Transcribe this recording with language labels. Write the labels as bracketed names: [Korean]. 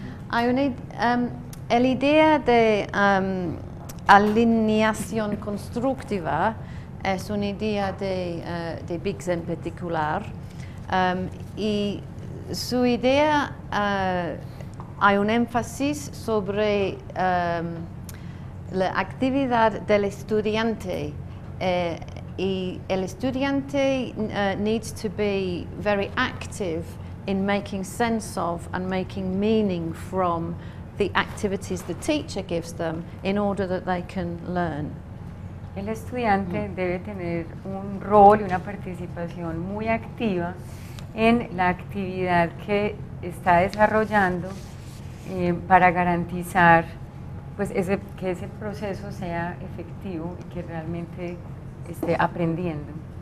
[Spanish] Hay una la idea de alineación constructiva es una idea de Biggs en particular y su idea hay un énfasis sobre la actividad del estudiante. Y el estudiante [English] needs to be very active in making sense of and making meaning from the activities the teacher gives them in order that they can learn. [Spanish] El estudiante debe tener un rol y una participación muy activa en la actividad que está desarrollando para garantizar pues que ese proceso sea efectivo y que realmente esté aprendiendo.